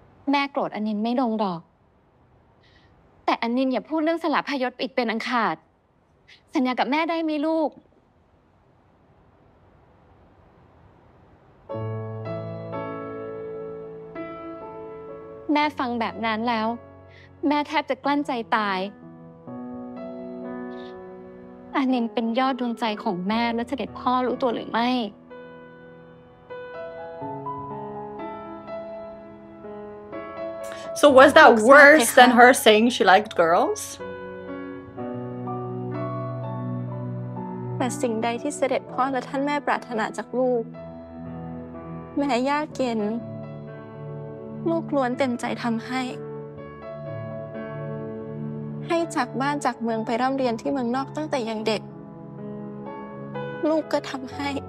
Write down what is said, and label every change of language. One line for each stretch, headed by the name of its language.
Thai: แม่โกรธอันนินไม่ลงดอกแต่อันนินอย่าพูดเรื่องสละพยศอีกเป็นอันขาดสัญญากับแม่ได้ไหมลูกแม่ฟังแบบนั้นแล้วแม่แทบจะกลั้นใจตายอันนินเป็นยอดดวงใจของแม่และเสด็จพ่อรู้ตัวหรือไม่
English: So was that worse than her saying she liked girls?
Thai: แต่สิ่งใดที่เสด็จพ่อและท่านแม่ปรารถนาจากลูกแม้ยากเย็นลูกล้วนเต็มใจทำให้จากบ้านจากเมืองไปร่ำเรียนที่เมืองนอกตั้งแต่ยังเด็กลูกก็ทำให้